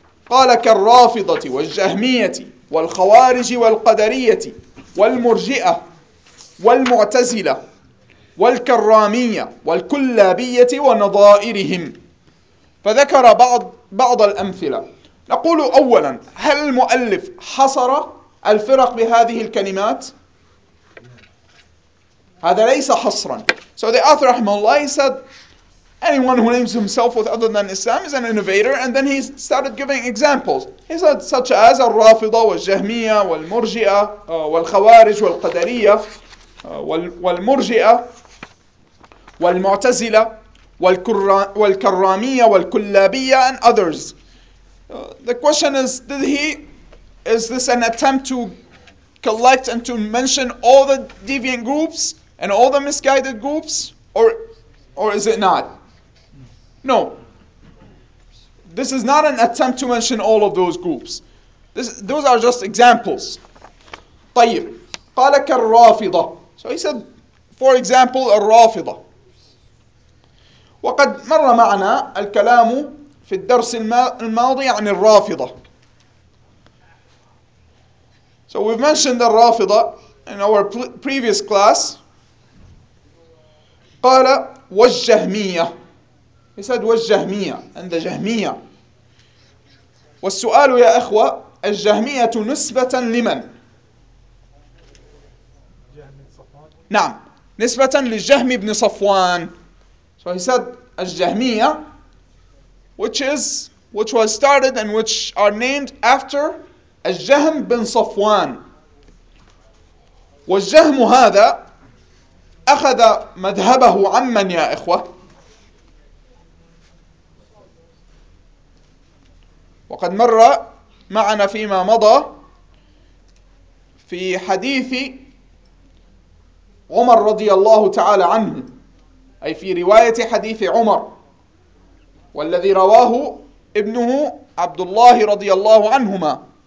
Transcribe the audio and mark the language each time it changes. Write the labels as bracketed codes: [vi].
[ar] قال كالرافضة والجهمية والخوارج والقدرية والمرجئة والمعتزلة والكرامية والكلابية ونظائرهم. فذكر بعض الأمثلة. نقول أولا، هل المؤلف حصر الفرق بهذه الكلمات؟ هذا ليس حصرا. [en] So the author رحمه الله, he said anyone who names himself with other than Islam is an innovator, and then he started giving examples. He said such as الرافضة والجهمية والمرجئة والخوارج والقدرية والمرجئة والمعتزلة والكرامية والكلابية and others. The question is, is this an attempt to collect and to mention all the deviant groups and all the misguided groups, or is it not? No. This is not an attempt to mention all of those groups. Those are just examples. [ar] طيب. قال كالرافضة. [en] So he said, for example, الرافضة. [ar] وقد مر معنا الكلام في الدرس الماضي عن الرافضة. [en] So we've mentioned الرافضة in our previous class. [ar] قال والجهمية. [en] He said والجهمية and the جهمية. [ar] والسؤال يا أخوة، الجهمية نسبة لمن؟ نعم، نسبة للجهم بن صفوان. [en] So he said الجهمية which was started and which are named after الجهم بن صفوان. [ar] والجهم هذا أخذ مذهبه عمن يا إخوة؟ وقد مر معنا فيما مضى في حديث عمر رضي الله تعالى عنه، أي في رواية حديث عمر، والذي رواه ابنه عبد الله رضي الله عنهما.